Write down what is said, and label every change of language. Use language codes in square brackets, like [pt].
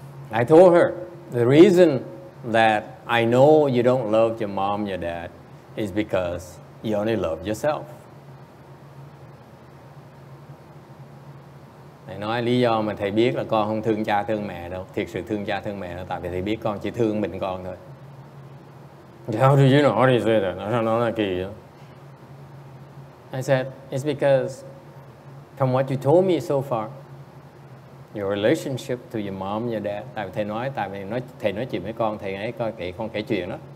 [en] I told her, the reason that I know you don't love your mom, your dad, is because you only love yourself. [vi] Thầy nói lý do mà thầy biết là con không thương cha, thương mẹ đâu. Thiệt sự thương cha, thương mẹ đâu. Tại vì thầy biết con chỉ thương mình con thôi. [en] How do you know what he said? [vi] Nó sao nói là kỳ vậy? [en] I said, it's because from what you told me so far, your relationship to your mom, your dad. [vi] Tại vì thầy nói, thầy nói chuyện với con, thầy ấy coi kể con kể chuyện đó.